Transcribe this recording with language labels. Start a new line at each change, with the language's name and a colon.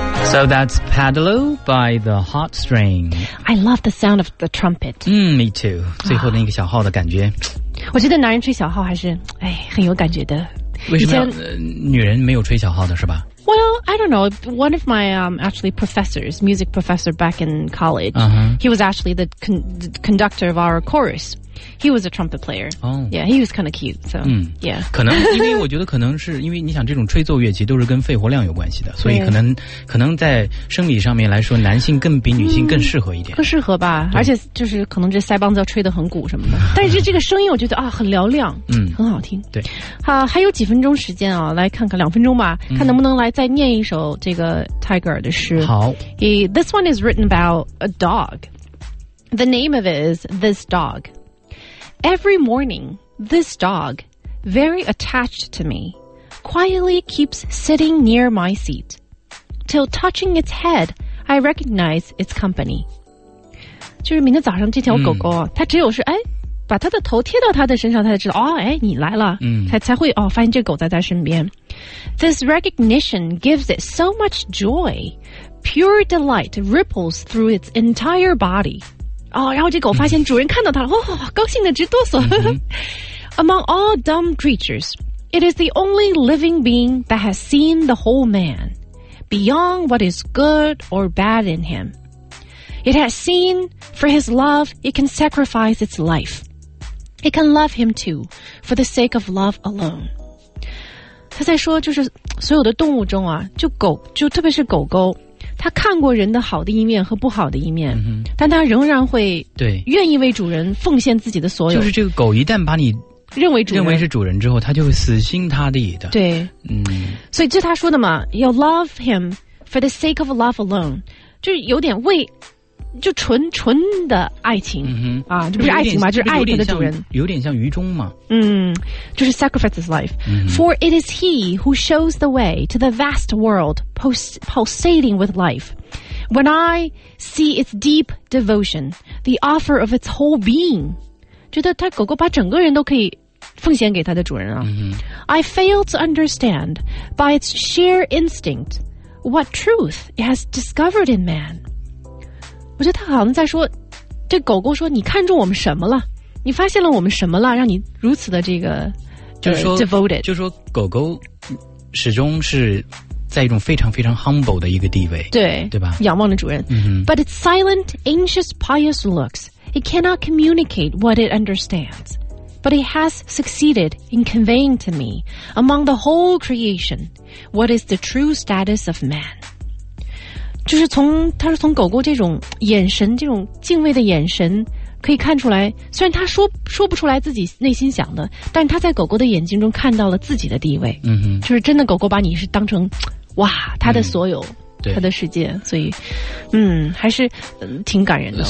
English: So that's Padlo by the Heart String. I love the sound of the trumpet. Me too.
Chinese: 最后的一个小号的感觉。我觉得男人吹小号还是很有感觉的。为什么女人没有吹小号的是吧？
English: Well, I don't know. One of my actually professors, music professor back in college,he was actually the conductor of our chorus. He was a trumpet player. Oh. Yeah, he was kind of cute. So,yeah.
Chinese: 可能因为我觉得可能是因为你想这种吹奏乐器都是跟肺活量有关系的，所以可能在生理上面来说，男性更比女性更适合一点。更适合吧，而且就是可能这腮帮子要吹得很鼓什么的。但是这个声音我觉得啊很嘹亮，很好听。对。好，还有几分钟时间啊，来看看两分钟吧，看能不能来再念一首这个泰戈尔的诗。好。
English: This one is written about a dog. The name of it is This Dog. Every morning, this dog, very attached to me, quietly keeps sitting near my seat. Till touching its head, I recognize its company.
Chinese: 就是明天早上这条狗狗，它只有是把它的头贴到它的身上，它才知道哦，你来了，才会发现这狗在它身边。
English: This recognition gives it so much joy. Pure delight ripples through its entire body.
Chinese: 哦，然后这狗发现主人看到它了，高兴的直哆嗦。
English: Among all dumb creatures, it is the only living being that has seen the whole man, beyond what is good or bad in him. It has seen, for his love, it can sacrifice its life. It can love him too, for the sake of love alone.
Chinese: 他在说，就是所有的动物中啊，就特别是狗狗。他看过人的好的一面和不好的一面，但他仍然会对愿意为主人奉献自己的所有。就是这个狗一旦把你认为主人认为是主人之后，他就会死心塌地的。对，所以这他说的嘛，要
English: love him for the sake of love alone，
Chinese: 就是有点为就纯纯的爱情，就不是爱情嘛，就是爱他的主人，有点像愚忠嘛。就是
English: sacrifice his life、for it is he who shows the way to the vast world。 Pulsating with life. When I see its deep devotion, the offer of its whole being,
Chinese: 觉得他狗狗把整个人都可以奉献给他的主人啊。
English: I fail to understand, by its sheer instinct, what truth it has discovered in man.
Chinese: 我觉得他好像在说，这狗狗说你看中我们什么了？你发现了我们什么了？让你如此的这个，就是说
English: devoted，
Chinese: 就是说狗狗始终是。在一种非常非常 humble 的一个地位，对，对吧？仰望着主人。
English: But its silent, anxious, pious looks, it cannot communicate what it understands. But it has succeeded in conveying to me, among the whole creation, what is the true status of man.
Chinese: 就是从他是从狗狗这种眼神，这种敬畏的眼神，可以看出来，虽然他说不出来自己内心想的，但他在狗狗的眼睛中看到了自己的地位。就是真的狗狗把你是当成哇他的所有，他的世界，所以还是挺感人的。